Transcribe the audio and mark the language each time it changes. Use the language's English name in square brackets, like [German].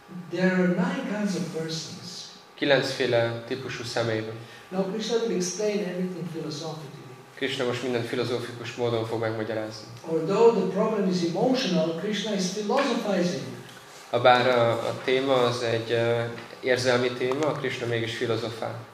[English] There are 9 kinds of persons. [Hungarian] 9 típusú személyben. [English] Now Krishna will explain everything philosophically. [Hungarian] Krishna most mindent filozófikus módon fog megmagyarázni. [English] Although the problem is emotional, Krishna is philosophizing. [Hungarian] Habár a téma az egy érzelmi téma, Krishna mégis filozofál.